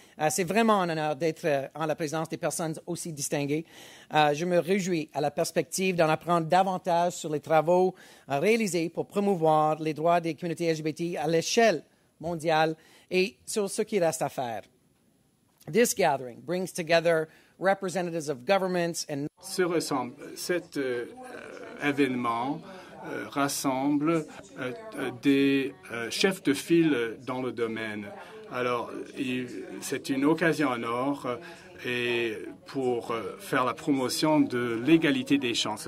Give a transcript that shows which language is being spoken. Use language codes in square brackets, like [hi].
[fr] C'est vraiment un honneur d'être en la présence des personnes aussi distinguées. Je me réjouis à la perspective d'en apprendre davantage sur les travaux réalisés pour promouvoir les droits des communautés LGBT à l'échelle mondiale et sur ce qui reste à faire. [en] This gathering brings together representatives of governments and... [fr] Cet événement rassemble des chefs de file dans le domaine. Alors, c'est une occasion en or et pour faire la promotion de l'égalité des chances.